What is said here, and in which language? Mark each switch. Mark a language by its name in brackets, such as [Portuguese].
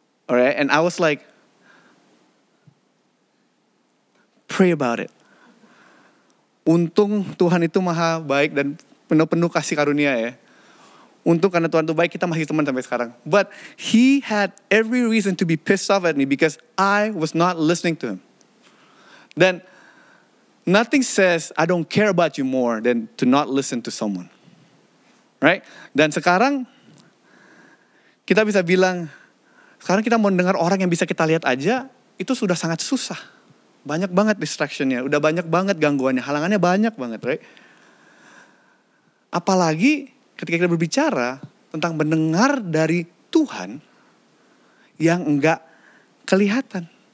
[English] Alright, and I was like, pray about it. [Indonesian] Untung Tuhan itu maha baik dan penuh-penuh kasih karunia ya. Untung karena Tuhan itu baik, kita masih teman sampai sekarang. [English] But he had every reason to be pissed off at me because I was not listening to him. Then nothing says I don't care about you more than to not listen to someone. Right? [Indonesian] Dan sekarang kita bisa bilang, sekarang kita mau dengar orang yang bisa kita lihat aja, itu sudah sangat susah. Banyak banget distraction-nya, udah banyak banget gangguannya, halangannya banyak banget, right? Apalagi ketika kita berbicara tentang mendengar dari Tuhan yang enggak kelihatan.